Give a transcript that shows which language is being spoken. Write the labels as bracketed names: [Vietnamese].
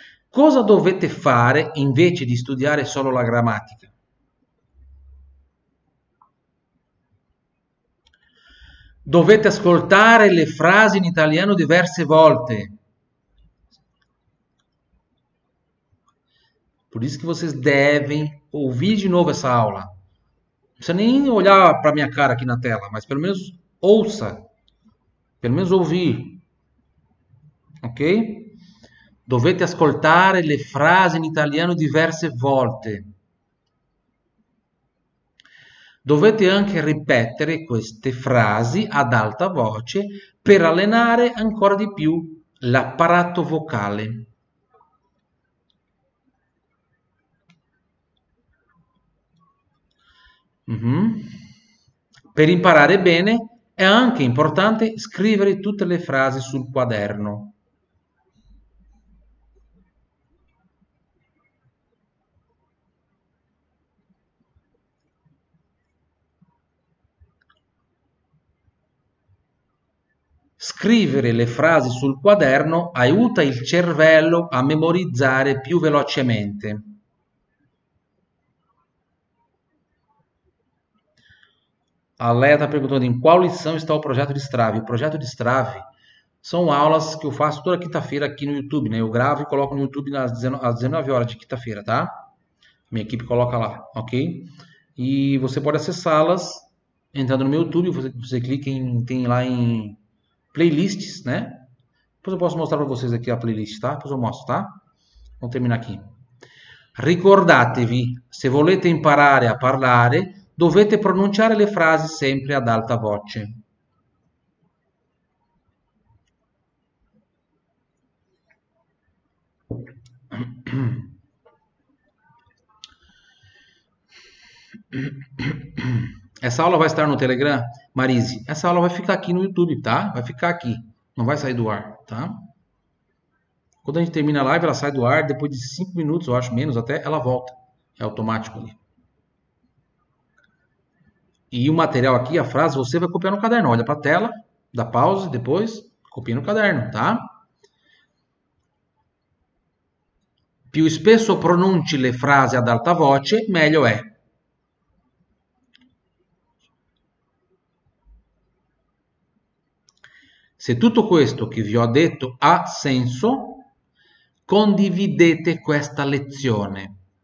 [Italian] Cosa dovete fare invece di studiare solo la grammatica? Dovete ascoltare le frasi in italiano diverse volte. [Portuguese] Por isso que vocês devem ouvir de novo essa aula. Não precisa nem olhar para minha cara aqui na tela, mas pelo menos ouça. Pelo menos ouvir. Ok? [Italian] Dovete ascoltare le frasi in italiano diverse volte. Dovete anche ripetere queste frasi ad alta voce per allenare ancora di più l'apparato vocale. Per imparare bene è anche importante scrivere tutte le frasi sul quaderno. Scrivere Scrivere le frasi sul quaderno aiuta il cervello a memorizzare più velocemente. [Portuguese] A Leia está perguntando em qual lição está o projeto de Strave. O projeto de Strave são aulas que eu faço toda quinta-feira aqui no YouTube, né? Eu gravo e coloco no YouTube às 19 horas de quinta-feira, tá? Minha equipe coloca lá, ok? E você pode acessá-las entrando no meu YouTube, você clica em, tem lá em playlists, né? Depois eu posso mostrar para vocês aqui a playlist, tá? Depois eu mostro, tá? Vamos terminar aqui. [Italian] Ricordatevi, se volete imparare a parlare, dovete pronunciare le frasi sempre ad alta voce. [Portuguese] Essa aula vai estar no Telegram, Marise. Essa aula vai ficar aqui no YouTube, tá? Vai ficar aqui, não vai sair do ar, tá? Quando a gente termina a live, ela sai do ar. Depois de 5 minutos, eu acho menos, até ela volta. É automático ali. E o material aqui, a frase, você vai copiar no caderno. Olha para a tela, dá pause, depois copia no caderno, tá? [Italian] Più spesso pronunci le frasi ad alta voce, meglio è. Se tutto questo che vi ho detto ha senso, condividete questa lezione.